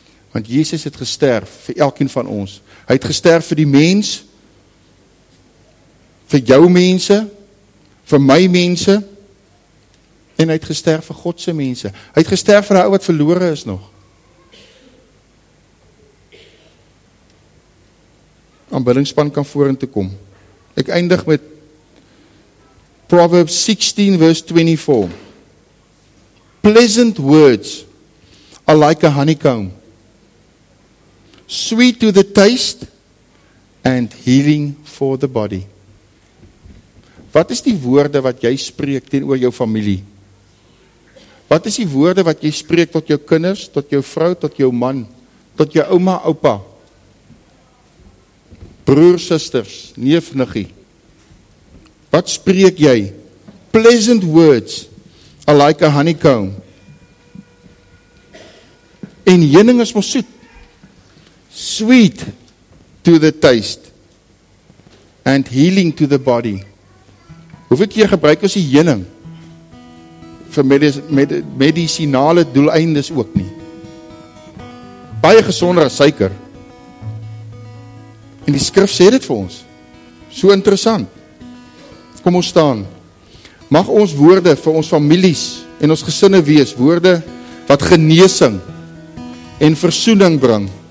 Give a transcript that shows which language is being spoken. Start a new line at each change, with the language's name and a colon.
Afrikaans: Want Jesus het gesterf vir elkeen van ons. Hy het gesterf vir die mens, vir jou mense, vir my mense, en hy het gesterf vir God se mense. Hy het gesterf vir die ou wat verlore is nog. Aanbiddingspan kan vorentoe kom. Ek eindig met
English: Proverbs 16 verse 24. Pleasant words are like a honeycomb, sweet to the taste and healing for the body.
Afrikaans: Wat is die woorde wat jy spreek teenoor jou familie? Wat is die woorde wat jy spreek tot jou kinders, tot jou vrou, tot jou man, tot jou ouma, oupa? Broers, susters, neef, niggie. Wat spreek jy?
English: Pleasant words are like a honeycomb.
Afrikaans: En heuning is mos soet.
English: Sweet to the taste and healing to the body.
Afrikaans: Hoeveel keer gebruik ons die heuning vir medisinale doeleindes ook nie? Baie gesonder as suiker. En die skrif sê dit vir ons. So interessant. Kom ons staan. Mag ons woorde vir ons families en ons gesinne wees, woorde wat genesing en versoening bring.